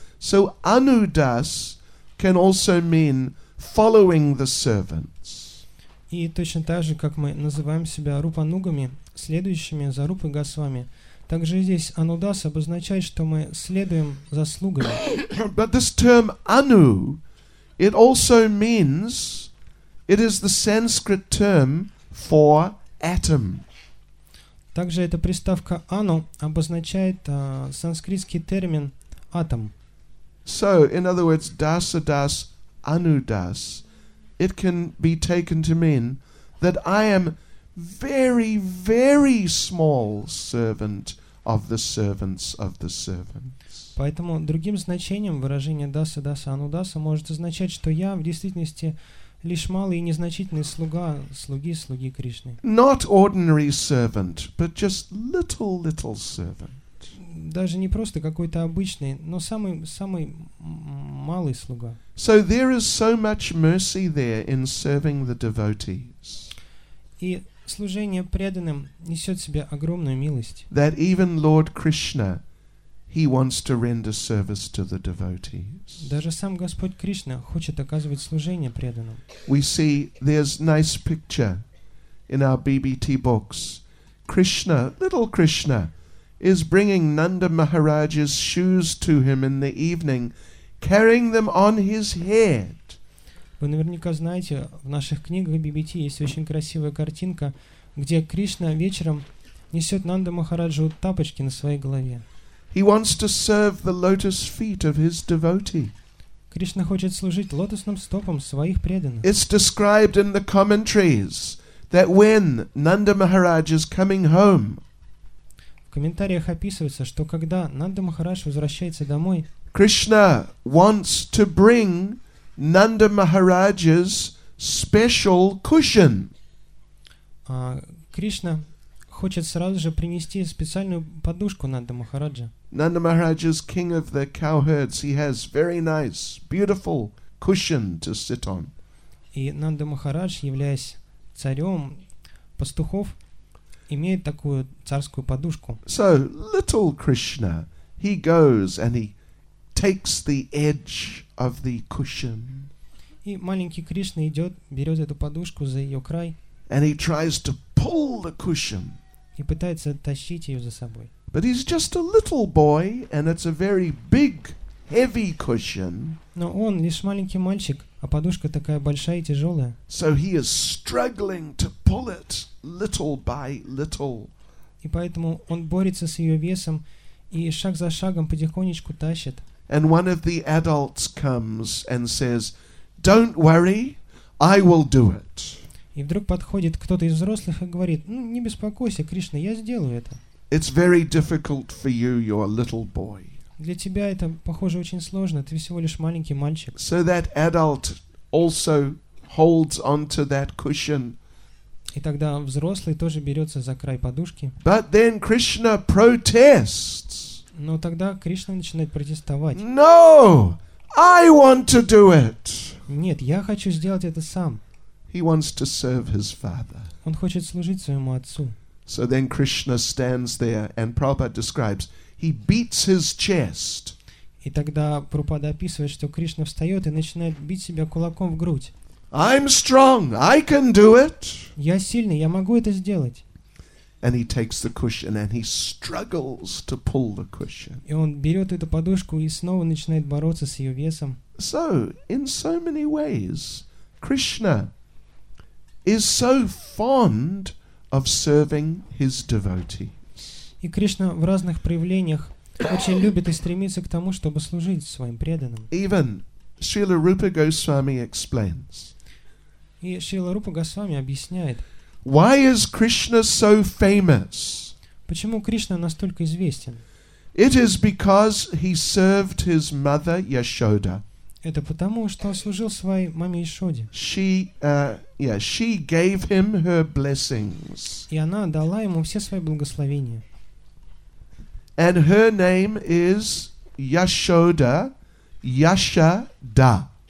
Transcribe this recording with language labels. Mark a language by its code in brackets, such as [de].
[en] So anudas can also mean following the servants. [ru] И точно так же, как мы называем себя рупанугами, следующими за Рупой Госвами, также здесь анудас обозначает, что мы следуем за слугами. [en] But this term anu, it also means, it is the Sanskrit term for atom. [ru] Также эта приставка ану обозначает санскритский термин атом. [en] So, in other words, dasa das anudas, it can be taken to mean that I am very, very small servant of the servants of the servants. [ru] Поэтому другим значением выражение dasa das anudas может означать, что я в действительности лишь малый и незначительный слуга, слуги, слуги Кришны. [en] Not ordinary servant, but just little, little servant. [ru] Даже не просто какой-то обычный, но самый, самый малый слуга. [en] So there is so much mercy there in serving the devotees. [ru] И служение преданным несет в себе огромную милость. [en] That even Lord Krishna, he wants to render service to the devotees. [ru] Даже сам Господь Кришна хочет оказывать служение преданным. [en] We see there's nice picture in our BBT books. Krishna, little Krishna, is bringing Nanda Maharaj's shoes to him in the evening, carrying them on his head. [ru] Вы наверняка знаете, в наших книгах BBT есть очень красивая картинка, где Кришна вечером несет Нанда Махараджу тапочки на своей голове. [en] He wants to serve the lotus feet of his devotee. [ru] Кришна хочет служить лотосным стопам своих преданных. [en] It's described in the commentaries that when Nanda Maharaj is coming home, [ru] в комментариях описывается, что когда Нанда Махарадж возвращается домой, [en] Krishna wants to bring Nanda Maharaj's special cushion. [ru] Кришна хочет сразу же принести специальную подушку Нанда Махараджа. [en] Nanda Maharaj is king of the cowherds. He has very nice, beautiful cushion to sit on. [ru] И Нанда Махарадж, являясь царем пастухов, имеет такую царскую подушку. [en] So, little Krishna, he goes and he takes the edge of the cushion. [ru] И маленький Кришна идет, берет эту подушку за ее край. [en] And he tries to pull the cushion. [ru] И пытается тащить ее за собой. [en] But he's just a little boy, and it's a very big, heavy cushion. [ru] Но он лишь маленький мальчик, а подушка такая большая и тяжелая. [en] So he is struggling to pull it little by little. [ru] И поэтому он борется с ее весом и шаг за шагом потихонечку тащит. [en] And one of the adults comes and says, "Don't worry, I will do it." [ru] И вдруг подходит кто-то из взрослых и говорит: "Ну, не беспокойся, Кришна, я сделаю это." [en] It's very difficult for you, you're a little boy. [ru] Для тебя это, похоже, очень сложно, ты всего лишь маленький мальчик. [en] So that adult also holds onto that cushion. [ru] И тогда взрослый тоже берется за край подушки. [en] But then Krishna protests. [ru] Но тогда Кришна начинает протестовать. [en] No! I want to do it. [ru] Нет, я хочу сделать это сам. [en] He wants to serve his father. [ru] Он хочет служить своему отцу. [en] So then Krishna stands there and Prabhupada describes, he beats his chest. [ru] И тогда Прабхупада описывает, что Кришна встает и начинает бить себя кулаком в грудь. [en] I'm strong, I can do it. [ru] Я сильный, я могу это сделать. [en] And he takes the cushion and he struggles to pull the cushion. [ru] И он берет эту подушку и снова начинает бороться с ее весом. [en] So, in so many ways, Krishna is so fond of serving his devotees. [ru] И Кришна в разных проявлениях очень любит и стремится к тому, чтобы служить своим преданным. [en] Even Srila Rupa Goswami explains. [ru] И Шрила Рупа Госвами объясняет. [en] Why is Krishna so famous? [ru] Почему Кришна настолько известен? [en] It is because he served his mother Yashoda. [ru] Это потому, что служил своей маме Яшоде. [en] She gave him her blessings. [ru] И она дала ему все свои благословения. [en] And her name is Yashoda, Yashoda.